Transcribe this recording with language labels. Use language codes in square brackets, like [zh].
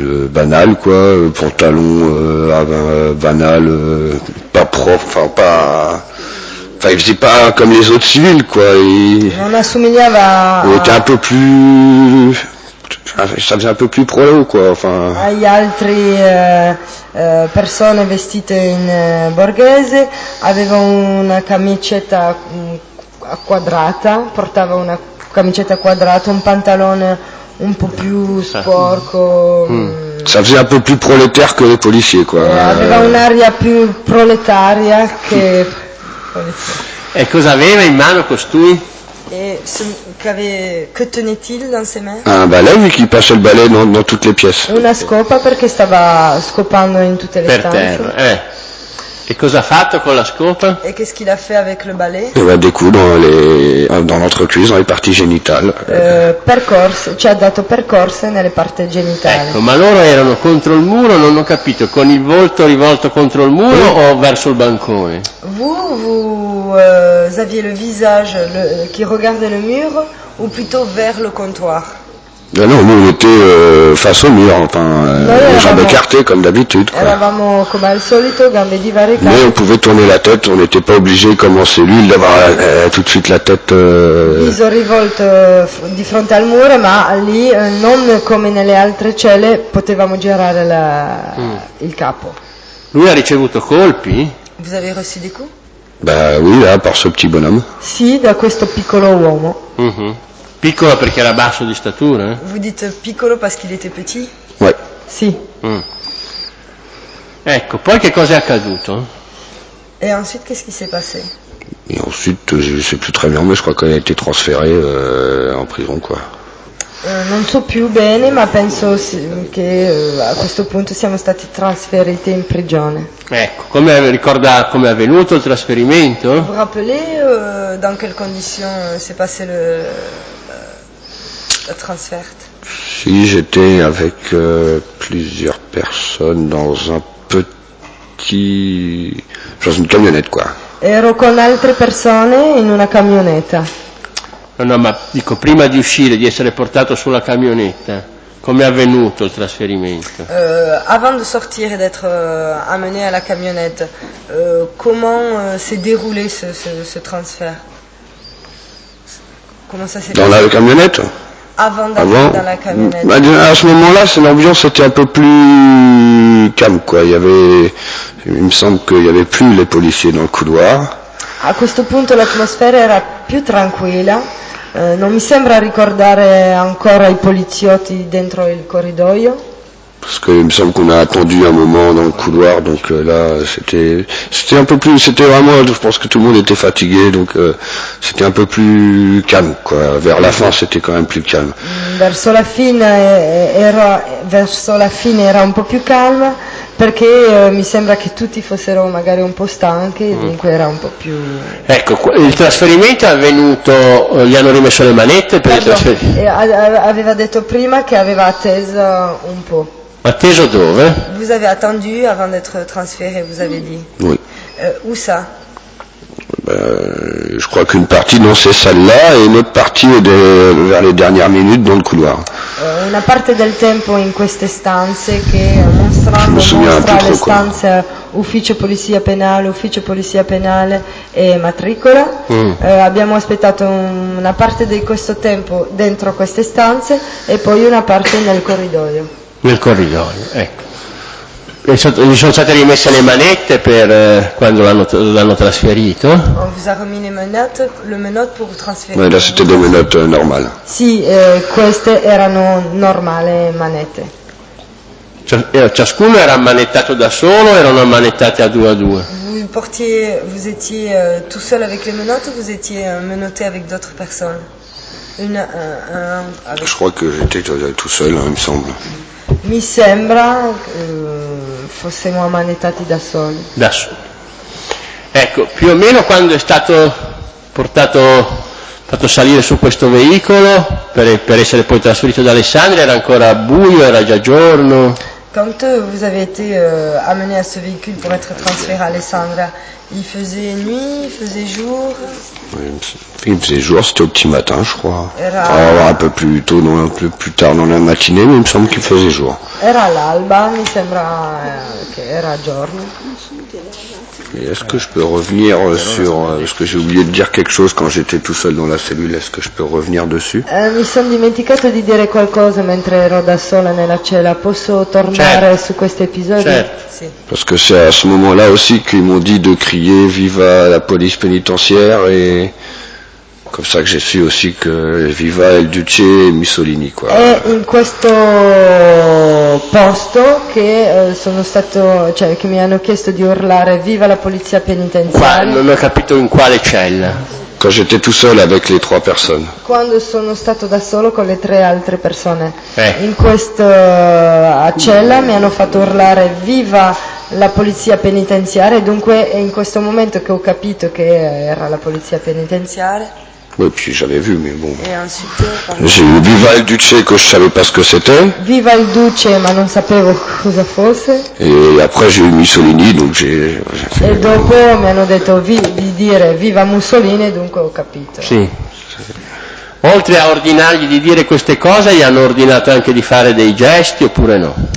[fr] banal quoi, pantalon banal, pas propre, enfin pas, enfin il faisait pas comme les autres civils quoi. [it] On assimilava. [fr] Il était un peu plus, ça faisait un peu plus pro quoi, enfin. [it] Agli altri persone vestite in borghese aveva una camicetta quadrata, portava una camicetta quadrata, un pantalone un po' più sporco. [fr] Ça faisait un peu plus prolétaire que les policiers quoi. [it] Aveva un'aria più proletaria che E cosa aveva in mano costui? [fr] E che tenait-il dans ses mains? Un balai, vu qu'il passait le balai dans toutes les pièces. [it] Una scopa, perché stava scopando in tutte le per stanze. Per terra. E cosa ha fatto con la scopa? [fr] E qu'est-ce qu'il a fait avec le balai? [it] Doveva [fr] découdre dans l'entrecuisse, dans les parties génitales. [it] Percorse, ci ha dato percorse nelle parti genitali. Ecco, ma loro erano contro il muro, non ho capito, con il volto rivolto contro il muro o verso il bancone? [fr] Vous aviez le visage qui regardait le mur ou plutôt vers le comptoir? Ben non, nous on était face au mur, enfin, les jambes écartées comme d'habitude. Quoi. [it] Eravamo come al solito, gambe divaricate. [fr] Mais on pouvait tourner la tête, on n'était pas obligé, comme en cellule, d'avoir tout de suite la tête. [it] Viso rivolto di fronte al muro, ma lì, non come nelle altre celle, potevamo girare il capo. Lui ha ricevuto colpi? [fr] Vous avez reçu des coups? Ben oui, là, par ce petit bonhomme. [it] Sì, da questo piccolo uomo. Mm-hmm. Piccolo perché era basso di statura? [fr] Vous dites piccolo parce qu'il était petit? Oui. [it] Sì. Ecco, poi che cosa è accaduto? [fr] E ensuite, qu'est-ce qui s'est passé? Et ensuite, je ne sais plus très bien, mais je crois qu'on a été transféré en prison, quoi. [it] Non so più bene, ma penso che a questo punto siamo stati trasferiti in prigione. Ecco, come ricorda come è avvenuto il trasferimento? [fr] Vous rappelez dans quelle condition s'est passé le transfert? Si, j'étais avec plusieurs personnes dans un petit... dans une camionnette, quoi. [it] Ero con altre persone in una camionetta. No, no, ma dico, prima di uscire, di essere portato sulla camionetta, come è avvenuto il trasferimento? [fr] Avant de sortir et d'être amené à la camionnette, comment s'est déroulé ce transfert? Comment ça s'est dans passé? La camionnette? Avant dans la camionnette. À ce moment-là, l'ambiance était un peu plus calme, quoi. Il me semble qu'il n'y avait plus les policiers dans le couloir. A questo punto l'atmosfera era più tranquilla, non mi sembra ricordare ancora i poliziotti dentro il corridoio. Parce que il me semble qu'on a attendu un moment dans le couloir, donc là c'était un peu plus, c'était vraiment, je pense que tout le monde était fatigué, donc c'était un peu plus calme quoi. Vers la fin c'était quand même plus calme. [it] Verso la fine era un po' più calma. Perché mi sembra che tutti fossero magari un po' stanchi, dunque era un po' più... Ecco, il trasferimento è avvenuto, gli hanno rimesso le manette per il trasferimento? Aveva detto prima che aveva atteso un po'. Ah, Atteso dove? [fr] Vous avez attendu avant d'être transféré, vous avez dit. Oui. Où ça? Je crois qu'une partie, non, c'est celle-là, et une autre partie est vers les dernières minutes dans le couloir. [it] Una parte del tempo in queste stanze che mostrano le stanze ufficio polizia penale, ufficio polizia penale e matricola. Mm. Abbiamo aspettato una parte di questo tempo dentro queste stanze e poi una parte nel corridoio. Nel corridoio, ecco. Gli sono state rimesse le manette per quando l'hanno trasferito? [fr] On vous a remis les manettes, [it] le menotte [fr] pour vous transférer. Là, c'était des menottes normales. [it] Sì, queste erano normali manette. Ciascuno era ammanettato da solo, erano ammanettati a due a due. [fr] Vous étiez tout seul avec les menottes, vous étiez menotté avec d'autres personnes. Je crois que j'étais tout seul, il me semble. [it] Mi sembra fossimo ammanettati da soli. Da soli. Ecco, più o meno quando è stato portato, fatto salire su questo veicolo per essere poi trasferito da Alessandria, era ancora buio, era già giorno. Quando [fr] vous avez été amené à ce véhicule pour être transféré à Alessandria, il faisait nuit, il faisait jour. Il faisait jour, c'était au petit matin, je crois. Un peu plus tôt, non, un peu plus tard dans la matinée, mais il me semble qu'il faisait jour. [it] Era l'alba, mi sembra che era giorno. [fr] Et est-ce que je peux revenir sur ce que j'ai oublié de dire quelque chose quand j'étais tout seul dans la cellule? Est-ce que je peux revenir dessus? [it] Mi sono dimenticato di dire qualcosa mentre ero da sola nella cella. Posso tornare su questo episodio? Certo. [fr] Parce que c'est à ce moment-là aussi qu'ils m'ont dit de crier viva la police pénitentiaire, et comme ça que j'ai su aussi que [it] viva il Duce [fr] et Mussolini, quoi. [it] È in questo posto che sono stato, cioè che mi hanno chiesto di urlare viva la polizia penitenziaria. Non ho capito in quale cella. [fr] Quand j'étais tout seul avec les trois personnes. [it] Quando sono stato da solo con le tre altre persone. Eh. In questa cella mi hanno fatto urlare viva la polizia penitenziaria, dunque è in questo momento che ho capito che era la polizia penitenziaria. [fr] Oui, puis j'avais vu, mais bon. Et ensuite, j'ai eu [it] viva il Duce, [fr] que je savais pas ce que c'était. [it] Viva il Duce, ma non sapevo cosa fosse. [fr] Et après, j'ai eu Mussolini, donc j'ai fait. Et [it] dopo, mi hanno detto di dire viva Mussolini, dunque ho capito. Sì. Oltre a ordinargli di dire queste cose, gli hanno ordinato anche di fare dei gesti, oppure no?